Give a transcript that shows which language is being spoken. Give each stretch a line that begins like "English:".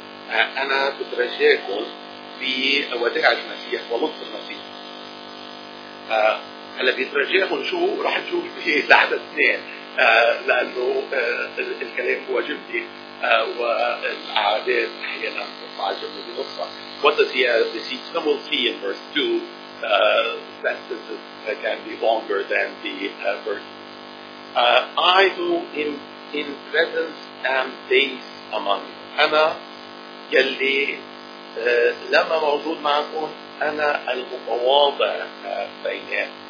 Arabic: أنا بترجاكم بوداعة المسيح ولطف المسيح. هلا بترجاكم شو راح نشوف في لحظة اثنين لأنه الكلام هو جملي والأعداد أحيانا تطلع جملة بنصها.
English: What does he have to see? We'll see in verse 2 sentences that can be longer than the verse. I who in presence am base among you.
Arabic: أنا يلي لما موجود معكم أنا المتواضع بينهم.